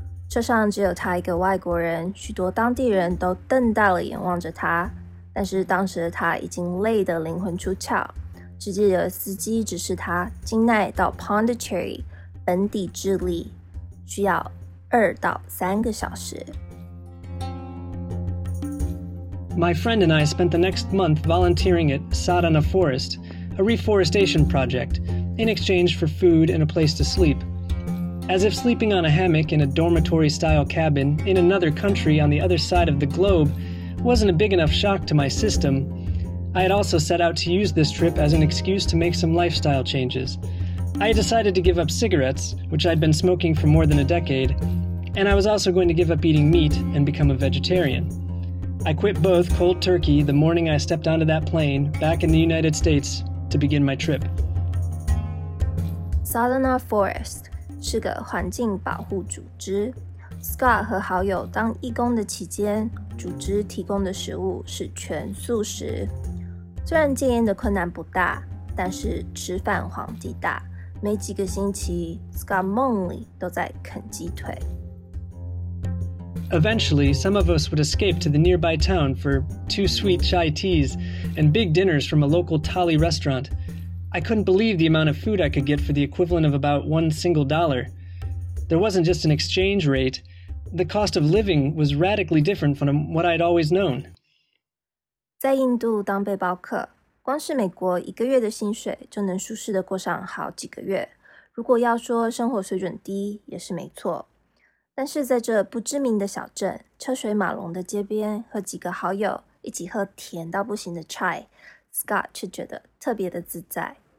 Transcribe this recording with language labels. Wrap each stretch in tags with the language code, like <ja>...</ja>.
<zh>车上只有他一个外国人，许多当地人都瞪大了眼望着他，但是当时他已经累得灵魂出窍，只记得司机指示他京奈到 Pondicherry 本地智利需要2到3个小时。</zh> <en>My friend and I spent the next month volunteering at Sadhana Forest, a reforestation project, in exchange for food and a place to sleep. As if sleeping on a hammock in a dormitory-style cabin in another country on the other side of the globe wasn't a big enough shock to my system, I had also set out to use this trip as an excuse to make some lifestyle changes. I had decided to give up cigarettes, which I'd been smoking for more than a decade, and I was also going to give up eating meat and become a vegetarian. I quit both cold turkey the morning I stepped onto that plane back in the United States to begin my trip.</en> <zh>Sadhana Forest 是个环境保护组织。 Scott 和好友当义工的期间，组织提供的食物是全素食。虽然戒烟的困难不大，但是吃饭皇帝大，每几个星期 ，Scott 梦里都在啃鸡腿。</zh> <en>Eventually, some of us would escape to the nearby town for 2 sweet chai teas and big dinners from a local Thali restaurant. I couldn't believe the amount of food I could get for the equivalent of about $1. There wasn't just an exchange rate. The cost of living was radically different from what I'd always known.</en> <zh>在印度当背包客，光是美国一个月的薪水就能舒适地过上好几个月。如果要说生活水准低，也是没错。但是在这不知名的小镇，车水马龙的街边，和几个好友一起喝甜到不行的 chai， Scott 却觉得特别的自在。</zh>